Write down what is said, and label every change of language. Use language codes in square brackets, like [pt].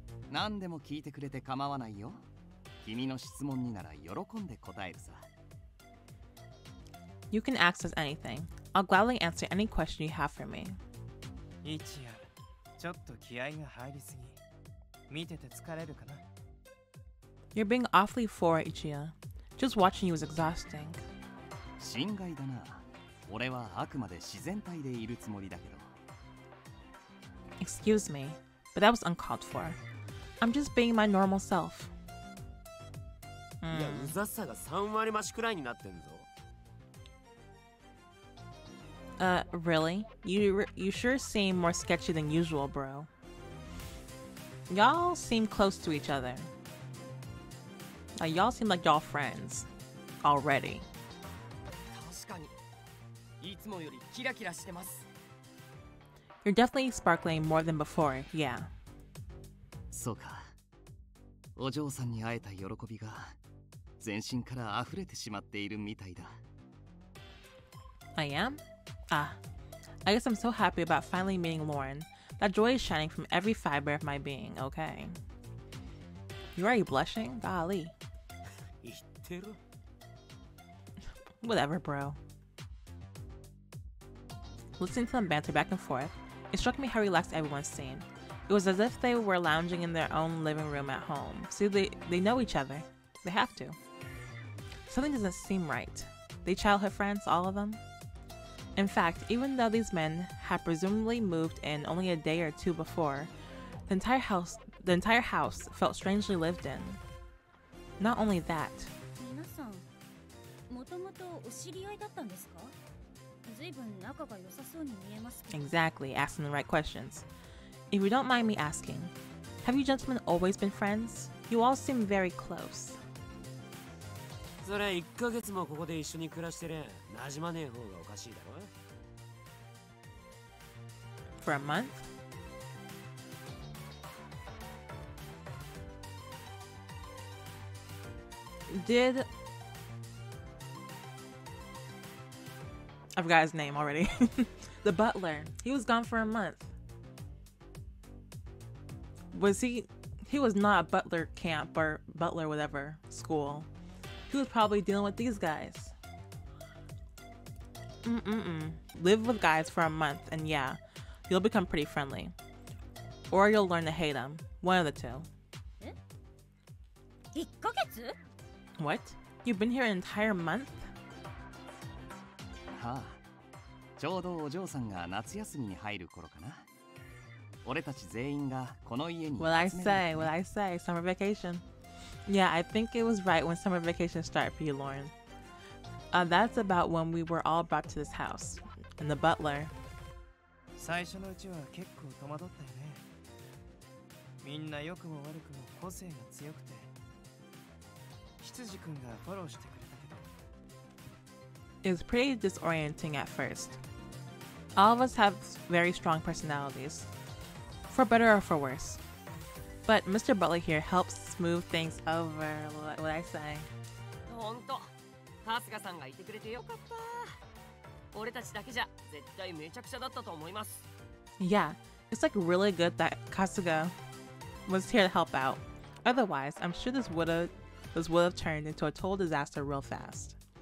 [ja] なんでも聞いてくれて構わないよ。君の質問になら喜んで答えるさ。 [en] You can ask us anything. I'll gladly answer any question you have for me. [ja] 一夜、ちょっと気合が入りすぎ。見てて疲れるかな。 [en] You're being awfully forward, Ichiya. Just watching you is exhausting. [ja] 心外だな。俺はあくまで自然体でいるつもりだけど。 [en] Excuse me, but that was uncalled for. I'm just being my normal self. [ja] いや、うざさが3割増しくらいになってんぞ。 [en] Really? You sure seem more sketchy than usual, bro. Y'all seem close to each other. Y'all seem like y'all friends already. You're definitely sparkling more than before, yeah. [ja] そうか。お嬢さんに会えた喜びが全身から溢れてしまっているみたいだ。 [en] I am? I guess I'm so happy about finally meeting Lauren. That joy is shining from every fiber of my being, okay? You already blushing? Golly. Whatever, bro. Listening to them banter back and forth, it struck me how relaxed everyone seemed. It was as if they were lounging in their own living room at home. See, they know each other. They have to. Something doesn't seem right. They childhood friends, all of them? In fact, even though these men had presumably moved in only a day or two before, the entire house felt strangely lived in. Not only that,Exactly, asking the right questions. If you don't mind me asking, have you gentlemen always been friends? You all seem very close. [ja] それ1ヶ月もここで一緒に暮らしてる、馴染まねえ方がおかしいだろ? [en] For a month? I forgot his name already. The butler. He was gone for a month. He was not a butler camp or butler whatever school. He was probably dealing with these guys. Live with guys for a month and yeah, you'll become pretty friendly. Or you'll learn to hate them. One of the two. [ja] 1ヶ月? [en] What? You've been here an entire month? [ja] ああ、ちょうどお嬢さんが夏休みに入る頃かな。俺たち全員がこの家に [en] What I say, what I say, summer vacation. Yeah, I think it was right when summer vacation started for you, Lauren. That's about when we were all brought to this house. And the butler. [ja] 最初のうちは結構戸惑ったよね。みんな良くも悪くも個性が強くて。羊くんがフォローしてくれたけど。 [en] It was pretty disorienting at first. All of us have very strong personalities. For better or for worse. But Mr. Butler here helps smooth things over, what I say. [ja] 本当。春日さんがいてくれてよかった。俺たちだけじゃ絶対めちゃくちゃだったと思います。 [en] Yeah, it's like really good that Kasuga was here to help out. Otherwise, I'm sure this would have turned into a total disaster real fast.